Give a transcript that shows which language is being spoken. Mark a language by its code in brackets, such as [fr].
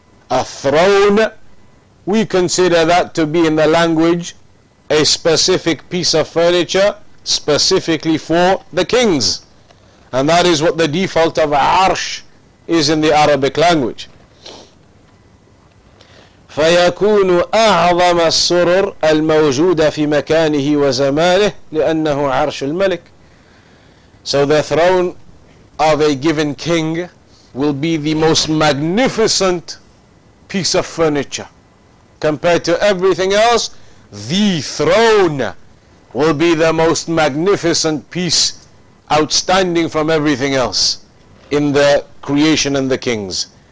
[en] A throne, we consider that to be in the language a specific piece of furniture specifically for the kings. And that is what the default of arsh is in the Arabic language. [ar] فيكون أعظم السرر الموجودة في مكانه وزمانه لأنه عرش الملك. [en] So the throne of a given king will be the most magnificent piece of furniture. Compared to everything else, the throne will be the most magnificent piece, outstanding from everything else in the creation and the kings.